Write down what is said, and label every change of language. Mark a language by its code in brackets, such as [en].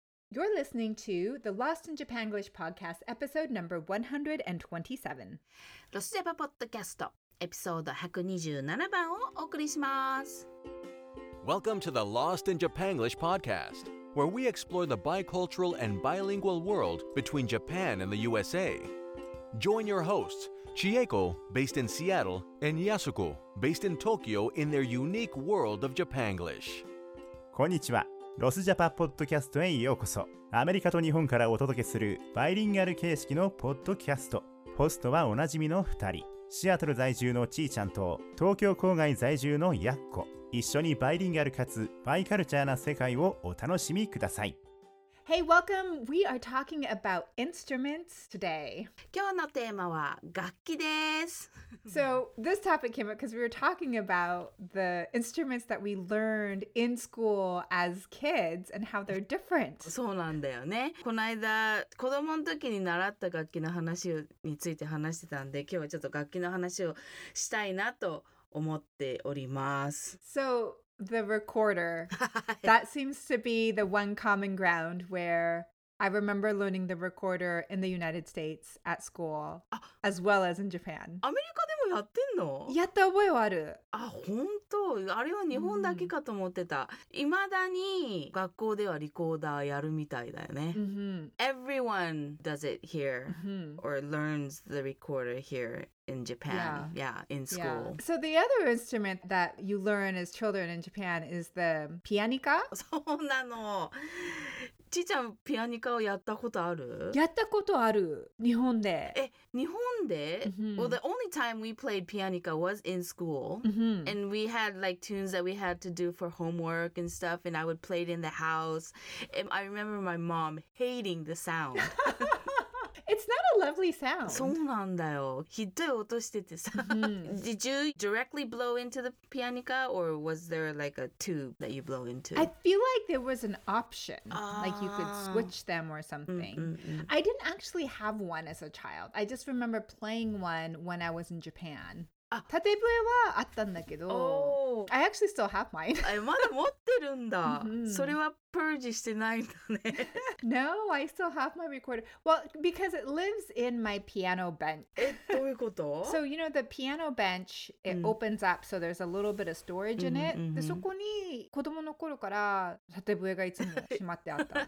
[en] You're listening to the Lost in Japanglish podcast, episode number 127. [ja] ロスジャパポッドキャスト、エピソード127番をお送りします。 [en] Welcome to the Lost in Japanglish podcast, where we explore the bicultural and bilingual world between Japan and the USA. Join your hosts, Chieko, based in Seattle, and Yasuko, based in Tokyo, in their unique world of Japanglish. [ja] こんにちは。ロスジャパポッドキャストへようこそ。アメリカと日本からお届けするバイリンガル形式のポッドキャスト。ホストはおなじみの2人、シアトル在住のちーちゃんと東京郊外在住のやっこ。一緒にバイリンガルかつバイカルチャーな世界をお楽しみください。 [en] Hey, welcome! We are talking about instruments today. [ja] 今日のテーマは楽器です。 [en] So this topic came up because we were talking about the instruments that we learned in school as kids and how they're different. [ja] そうなんだよね。この間子供の時に習った楽器の話について話してたんで、今日はちょっと楽器の話をしたいなと思っております。 [en] So the recorder, that seems to be the one common ground where I remember learning the recorder in the United States at school, as well as in Japan. [ja] アメリカでもやってんの？やった覚えはある。あ、本当？あれは日本だけかと思ってた。いまだに学校ではリコーダーやるみたいだよね。 Mm-hmm. [en] Everyone does it here, mm-hmm. or learns the recorder here. In Japan, yeah, in school. Yeah. So the other instrument that you learn as children in Japan is the pianika. [ja] そうなの。ちーちゃん、ピアニカをやったことある？やったことある。日本で。え、日本で？Mm-hmm. [en] Well, the only time we played pianika was in school. Mm-hmm. And we had like tunes that we had to do for homework and stuff. And I would play it in the house. And I remember my mom hating the sound. It's not a lovely sound. [ja] そうなんだよ。ひどい音しててさ。 Mm-hmm. [en] Did you directly blow into the pianika or was there like a tube that you blow into? I feel like there was an option. Like you could switch them or something. Mm-hmm. I didn't actually have one as a child. I just remember playing one when I was in Japan. あ、 [ja] 縦笛はあったんだけど、 oh. [en] I actually still have mine. [ja] え、まだ持ってるんだ。それはプルージしてないんだね。 [en] No, I still have my recorder. Well, because it lives in my piano bench. [ja] え、どういうこと？ [en] So, you know, the piano bench, it opens up, so there's a little bit of storage in it. [ja] で、そこに子供の頃から縦笛がいつもしまってあった。